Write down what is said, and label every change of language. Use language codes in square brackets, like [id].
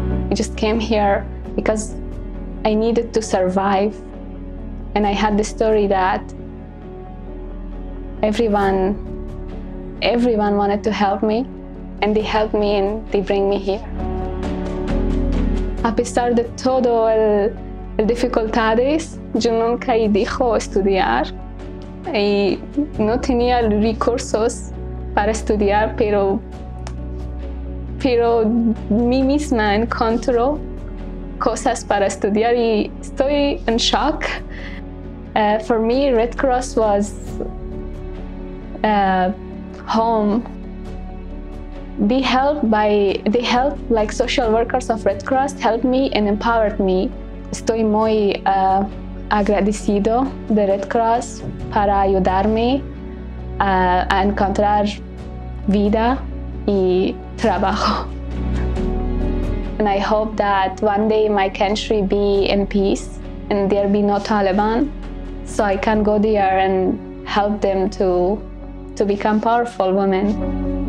[en] I just came here because I needed to survive. And I had the story that everyone wanted to help me and they helped me and they bring me here. [es] A pesar de todo el dificultades, yo nunca he dejado estudiar y no tenía recursos para estudiar, pero mí misma encontró cosas para estudiar y estoy en shock. [en] For me, Red Cross was home. They helped like social workers of Red Cross helped me and empowered me. [es] Estoy muy agradecido de Red Cross para ayudarme a encontrar vida y trabajo. [en] And I hope that one day my country be in peace and there be no Taliban, so I can go there and help them to become powerful women.